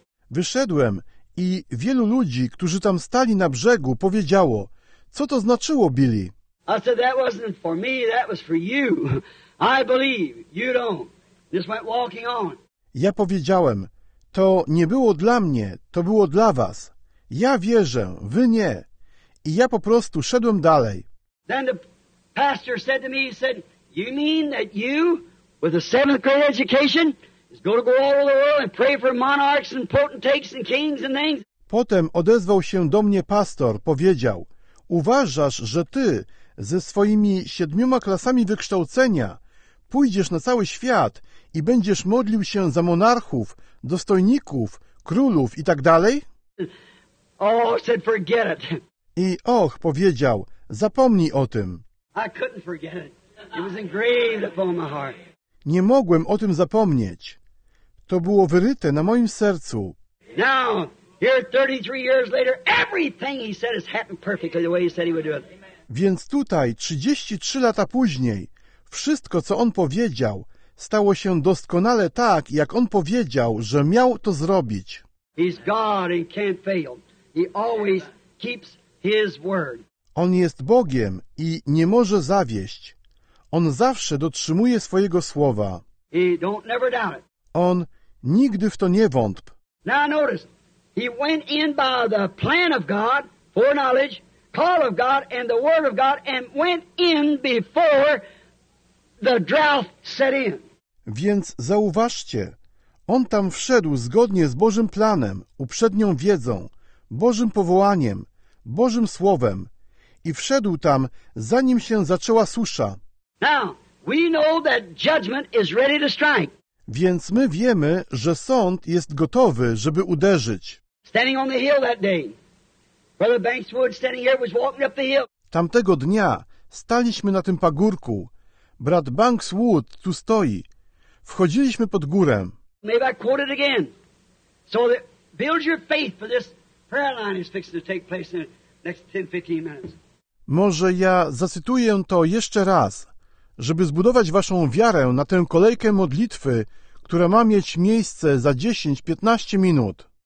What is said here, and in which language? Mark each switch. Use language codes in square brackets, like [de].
[pl] Wyszedłem i wielu ludzi, którzy tam stali na brzegu, powiedziało, co to znaczyło, Billy? [en] I said, that wasn't for me, that was for you. I believe, you don't. Just went walking on. [pl] Ja powiedziałem, to nie było dla mnie, to było dla was. Ja wierzę, wy nie. I ja po prostu szedłem dalej. [en] Then the pastor said to me, he said, you mean that you... With a seventh grade education, is going to go all over the world and pray for monarchs and potentates and kings and things. [pl] Potem odezwał się do mnie pastor, powiedział: uważasz, że ty ze swoimi siedmioma klasami wykształcenia pójdziesz na cały świat i będziesz modlił się za monarchów, dostojników, królów i tak dalej? [en] Oh, said forget it. [pl] I och, powiedział, zapomnij o tym. [en] I couldn't forget it. It was engraved upon my heart. [pl] Nie mogłem o tym zapomnieć. To było wyryte na moim sercu. [en] Now, here 33 years later, everything he said has happened perfectly the way he said he would do it. [pl] Więc tutaj, 33 lata później, wszystko, co on powiedział, stało się doskonale tak, jak on powiedział, że miał to zrobić. [en] He's God and can't fail. He always keeps his word. [pl] On jest Bogiem i nie może zawieść. On zawsze dotrzymuje swojego słowa. [en] He don't never doubt it. [pl] On nigdy w to nie wątp. [en] Now notice, he went in by the plan of God, foreknowledge, call of God, and the word of God, and went in before the drought set in. [pl] Więc zauważcie, on tam wszedł zgodnie z Bożym planem, uprzednią wiedzą, Bożym powołaniem, Bożym słowem i wszedł tam, zanim się zaczęła susza. [en] Now, we know that judgment is ready to strike. [pl] Więc my wiemy, że sąd jest gotowy, żeby uderzyć. [en] Standing on the hill that day. Brother Banks Wood standing here was walking up the hill. [pl] Tamtego dnia staliśmy na tym pagórku. Brat Banks Wood tu stoi. Wchodziliśmy pod górę. [en] Maybe I quote it again. So that build your faith for this prayer line is fixing to take place in the next 10-15 minutes. [pl] Może ja zacytuję to jeszcze raz, żeby zbudować waszą wiarę na tę kolejkę modlitwy, która ma mieć miejsce za 10-15 minut.